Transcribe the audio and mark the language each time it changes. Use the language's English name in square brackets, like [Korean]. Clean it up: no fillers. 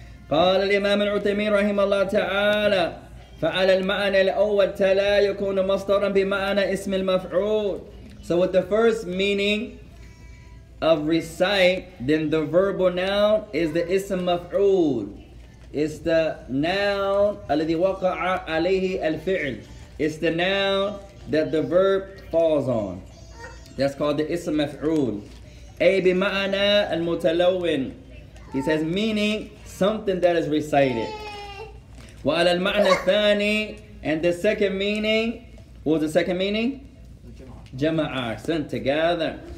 [Arabic] قال الامام العثيمين رحمه الله تعالى فعلى المعنى الاول تلا يكون مصدرا بمعنى اسم المفعول. [English] So with the first meaning of recite, then the verbal noun is the ism maf'ul. It's the noun [Arabic] الذي وقع عليه الفعل. [English] It's the noun that the verb falls on. That's called the ism maf'ul. [Arabic] أي بمعنى المتلون. [English] He says meaning something that is recited. [Arabic] وعلى المعنى الثاني. [English] And the second meaning, what was the second meaning? Jama'ah, sent together.